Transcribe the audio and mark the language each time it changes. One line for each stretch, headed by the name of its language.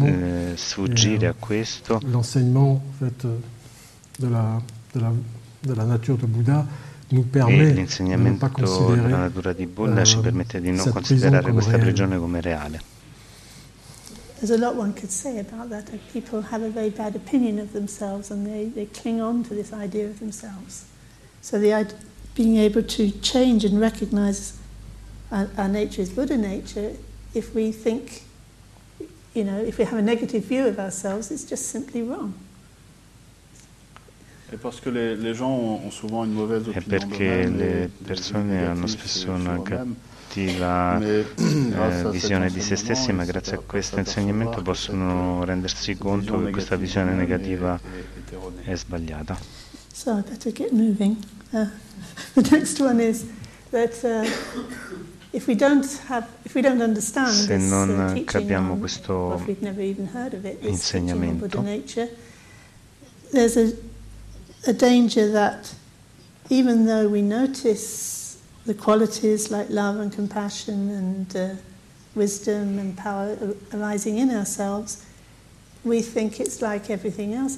French: Mais ce n'est pas ce qu'on est réellement. L'enseignement en fait, de la nature de Bouddha nous permet
Italian: l'insegnamento della natura di Buddha ci permette di non considerare questa prigione come reale.
English: There's a lot one could say about that. People have a very bad opinion of themselves and they cling on to this idea of themselves. So the being able to change and recognize our nature is Buddha nature, if we think, you know, if we have a negative view of ourselves, it's just simply wrong.
French: Et parce que les gens ont souvent une mauvaise opinion de eux-mêmes,
Italian: persone hanno spesso una cattiva visione di se stessi, ma grazie a questo insegnamento possono rendersi conto che questa visione negativa è sbagliata.
English: So I better get moving. The next one is that if we don't understand this teaching,
Italian: questo insegnamento,
English: there's a danger that even though we notice the qualities like love and compassion and wisdom and power arising in ourselves, we think it's like everything else.